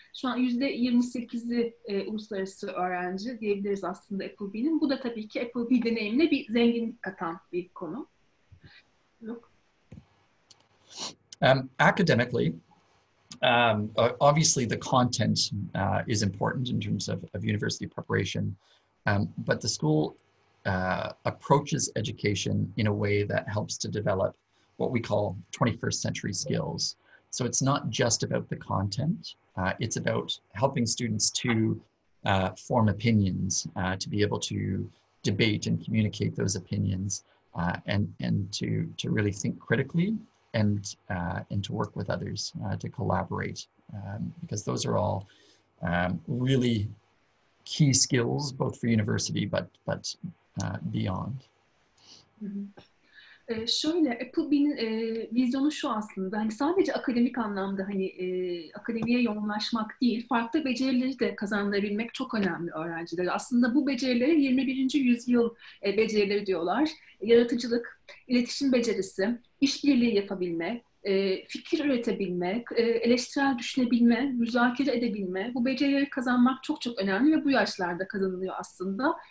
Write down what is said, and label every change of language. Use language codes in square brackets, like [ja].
[tr] Şu an %28'i uluslararası öğrenci diyebiliriz aslında Appleby'nin. Bu da tabii ki Appleby deneyimine bir zenginlik katan bir konu. [en] Look. Academically, obviously the content is important in terms of university preparation, but the school approaches education in a way that helps to develop what we call 21st century skills. So it's not just about the content, it's about helping students to form opinions, to be able to debate and communicate those opinions, and to really think critically and to work with others to collaborate, because those are all really key skills, both for university but beyond. [tr] Şöyle, Appleby'nin vizyonu şu aslında, hani sadece akademik anlamda hani akademiye yoğunlaşmak değil, farklı becerileri de kazandırabilmek çok önemli öğrencilere. Aslında bu becerilere 21. yüzyıl becerileri diyorlar. Yaratıcılık, iletişim becerisi, işbirliği yapabilme, fikir üretebilme, eleştirel düşünebilme, müzakere edebilme, bu becerileri kazanmak çok çok önemli ve bu yaşlarda kazanılıyor aslında.